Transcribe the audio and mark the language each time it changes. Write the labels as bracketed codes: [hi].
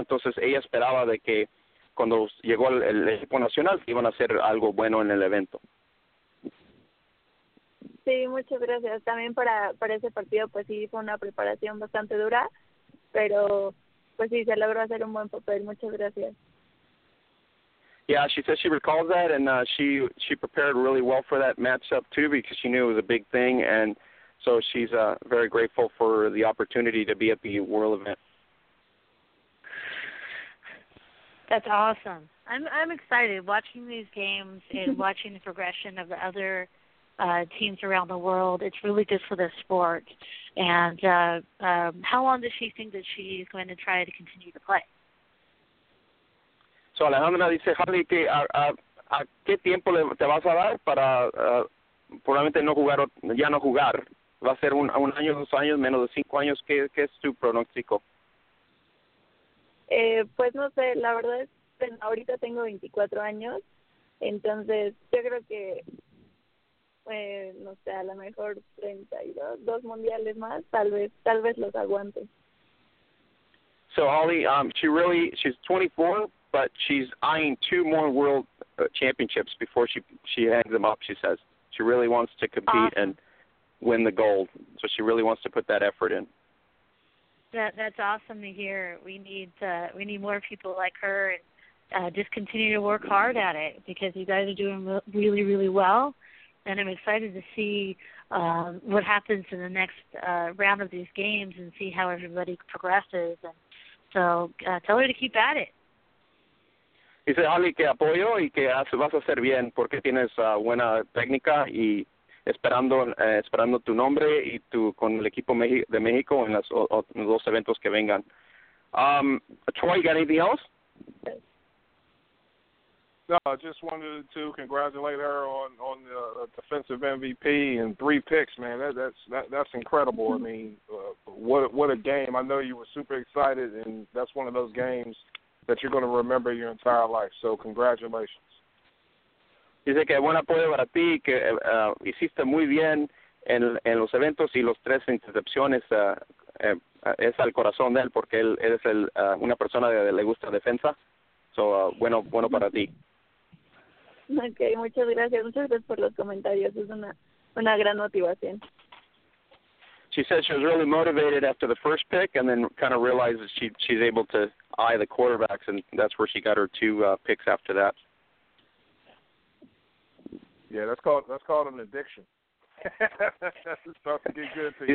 [es] Entonces ella esperaba de que cuando llegó el equipo nacional iban a hacer algo bueno en el evento. Sí, muchas gracias. También para ese partido, pues sí, fue una preparación bastante dura, pero pues sí, se logró hacer un buen papel. Muchas gracias. [en] Yeah, she said she recalls that, and she prepared really well for that matchup too, because she knew it was a big thing, and so she's very grateful for the opportunity to be at the World Event. That's awesome. I'm excited watching these games and watching the progression of the other teams around the world. It's really good for the sport. And how long does she think that she's going to try to continue to play? [es] So Alejandra dice, Harley, que a qué tiempo te vas a dar para probablemente no jugar o ya no jugar? ¿Va a ser un año, dos años, menos de cinco años? ¿Qué es tu pronóstico? Pues no sé, la verdad es que ahorita tengo 24 años, entonces yo creo que, no sé, a lo mejor 32, dos mundiales más, tal vez los aguante. [en] So Holly, she's 24, but she's eyeing two more world championships before she hands them up, she says. She really wants to compete awesome. And win the gold, so she really wants to put that effort in. That's awesome to hear. We need more people like her, and just continue to work hard at it, because you guys are doing really, really well, and I'm excited to see what happens in the next round of these games and see how everybody progresses. And so tell her to keep at it. [es] Dice Holly que apoyo y que vas a hacer bien porque tienes buena técnica y esperando tu nombre y tu con el equipo de México en los dos eventos que vengan. [en] Troy, got anything else? No, I just wanted to congratulate her on the defensive MVP and three picks, man. That's incredible. I mean, what a game. I know you were super excited, and that's one of those games that you're going to remember your entire life. So congratulations. [es] Dice que buen apoyo para ti, que hiciste muy bien en los eventos y los tres intercepciones es al corazón de él, porque él es una persona que le gusta defensa. So, bueno para ti. Ok, muchas gracias por los comentarios. Es una gran motivación. [en] She said she was really motivated after the first pick, and then kind of realized that she's able to eye the quarterbacks, and that's where she got her two picks after that. Yeah, that's called an addiction. It's about to get good to you.